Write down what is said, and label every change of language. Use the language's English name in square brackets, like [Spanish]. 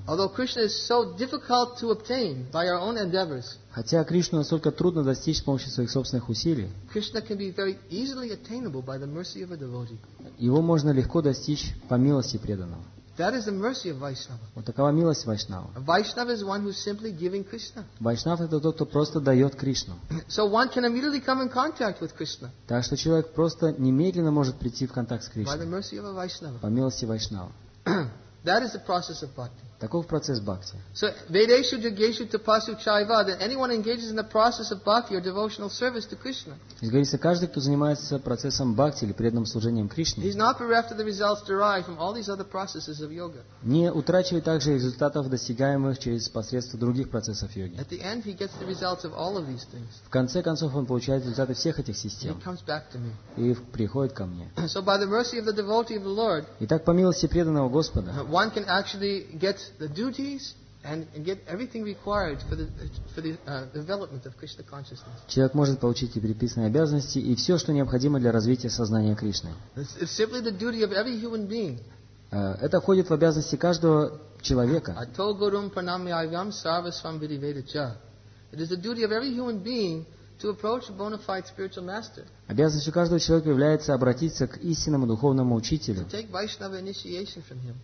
[Russian] Хотя Кришну настолько трудно достичь с помощью своих собственных усилий, его можно легко достичь по милости преданного. [English] That is the mercy of Vaishnava. [Russian] Вот такова милость Вайшнава. [English] Vaishnava is one who's simply giving Krishna. [Russian] Вайшнав это тот, кто просто дает Кришну. [English] So one can immediately come in contact with Krishna. [Russian] Так что человек просто немедленно может прийти в контакт с Кришной. [English] By the mercy of a Vaishnava. [Russian] По милости Вайшнава. [English] That is the process of bhakti. [Russian] Таков процесс бхакти. [English] So [Sanskrit] vedeshu jageshu tapasu chaiva, [English] that anyone engages in the process of bhakti or devotional service to Krishna. [Russian] Говорится, каждый, кто занимается процессом бхакти или преданным служением Кришне, [English] he's not bereft of the results derived from all these other processes of yoga. [Russian] Не утрачивает также результатов, достигаемых через посредство других процессов йоги. [English] At the end, he gets the results of all of these things. [Russian] В конце концов, он получает результаты всех этих систем. [English] He comes back to me. [Russian] И приходит ко мне. [English] So by the mercy of the devotee of the Lord. [Russian] Итак, по милости преданного Господа, [English] one can actually get the duties and get everything required for the development of Krishna consciousness. [Russian] Человек может получить и предписанные обязанности и все, что необходимо для развития сознания Кришны. [English] It's simply the duty of every human being. [Russian] Это входит в обязанности каждого человека. [Sanskrit] Ato gurum pranamayam sarvasvam vidivedacha. [English] It is the duty of every human being to approach a bona fide spiritual master. [Russian] Обязанностью каждого человека является обратиться к истинному духовному учителю. [English] To take Vaishnava initiation from him.